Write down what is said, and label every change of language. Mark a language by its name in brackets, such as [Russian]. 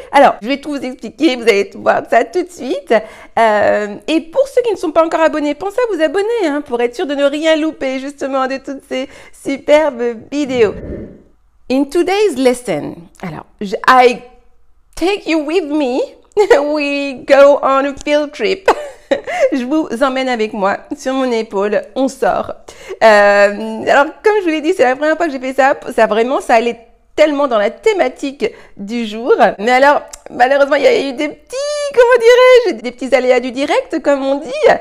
[French] Alors, je vais tout vous expliquer. Vous allez voir ça tout de suite. Et pour ceux qui ne sont pas encore abonnés, pensez à vous abonner, hein, pour être sûr de ne rien louper, justement, de toutes ces superbes vidéos. [English] In today's lesson, [French] alors, [English] I take you with me, we go on a field trip. [French] Je vous emmène avec moi, sur mon épaule, on sort. Alors, comme je vous l'ai dit, c'est la première fois que j'ai fait ça. Ça, vraiment, ça allait tellement dans la thématique du jour. Mais alors, malheureusement, il y a eu des petits, comment dirais-je, des petits aléas du direct, comme on dit.